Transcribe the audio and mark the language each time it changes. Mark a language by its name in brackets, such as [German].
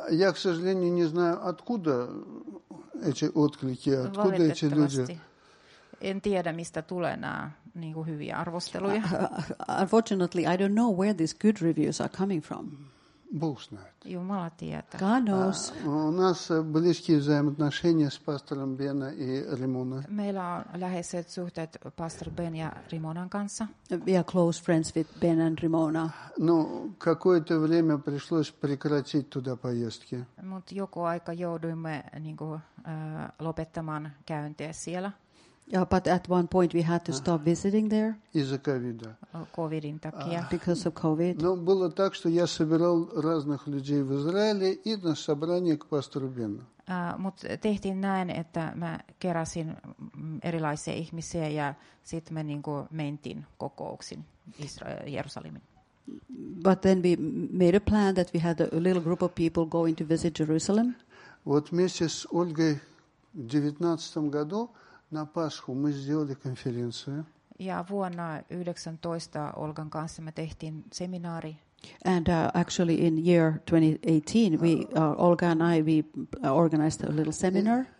[Russian] Я, к сожалению, не знаю, откуда эти отклики, откуда эти люди. [Finnish] En tiedä, mistä tulee nämä niin kuin hyviä arvosteluja. [English] Unfortunately, I don't know where these good reviews are coming from. [Russian] Бог знает. [Finnish] Jumala tietää. [English] God knows. [Russian] У нас близкие взаимоотношения с пастором Бена и Римона. [Finnish] Meillä on läheiset suhteet pastor Ben ja Rimonan kanssa. [English] We are close friends with Ben and Rimona. [Russian] Но какое-то время пришлось прекратить туда поездки. [Finnish] Mut joku aika jouduimme niinku lopettamaan käyntiä siellä. [English] Yeah, but at one point we had to stop visiting there. [Russian] Из-за ковида. Ковидин такие. [English] Because of COVID. [Russian] Но было так, что я собирал разных людей в Израиле и на собрание к пастору Бену. [Finnish] Мут tehtiin näin, että mä keräsin erilaisia ihmisiä ja sit me niinku mentiin kokouksiin Jerusalemiin. [English] But then we made a plan that we had a little group of people going to visit Jerusalem. [Russian] Вот вместе с Ольгой в 19 году на Пасху мы сделали конференцию. [Finnish] Ja vuonna 19 Olgan kanssa me tehtiin seminaari. [English] And actually in year 2018 we Olga and I we organized a little seminar.